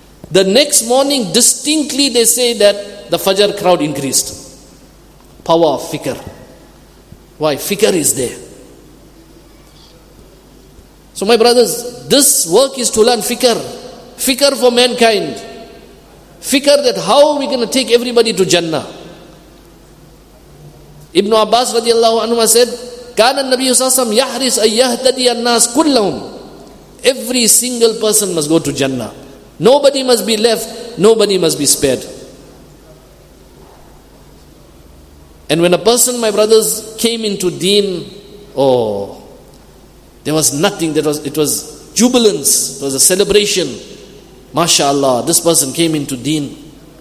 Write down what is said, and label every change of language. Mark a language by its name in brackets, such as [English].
[English] The next morning, distinctly they say that the fajr crowd increased. Power of fikr. Why? Fikr is there. So my brothers, this work is to learn fikr. Fikr for mankind. Fikr that how are we going to take everybody to Jannah? Ibn Abbas radiallahu anhu said, [Arabic] كان النبي صلى الله عليه وسلم يحرص أن يهتدي الناس كلهم. [English] Every single person must go to Jannah. Nobody must be left. Nobody must be spared. And when a person, my brothers, came into deen, oh, there was nothing. It was jubilance. It was a celebration. MashaAllah, this person came into deen.